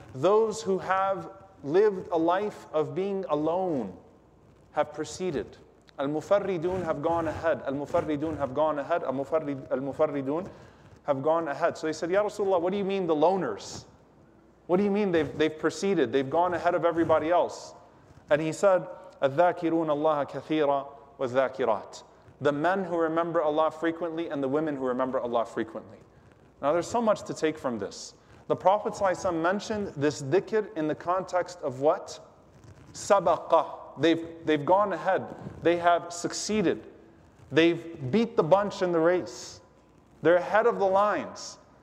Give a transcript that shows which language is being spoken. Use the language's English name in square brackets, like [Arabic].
[English] Those who have lived a life of being alone have preceded. Al-mufarridun have gone ahead. Al-mufarridun have gone ahead. Al-mufarridun have gone ahead. So he said, Ya Rasulullah, what do you mean the loners? What do you mean they've preceded? They've gone ahead of everybody else. And he said, [Arabic] الذاكرون الله كثيرا والذاكرات. [English] The men who remember Allah frequently and the women who remember Allah frequently. Now there's so much to take from this. The Prophet ﷺ mentioned this dhikr in the context of what? Sabaqa. They've gone ahead. They have succeeded. They've beat the bunch in the race. They're ahead of the lines.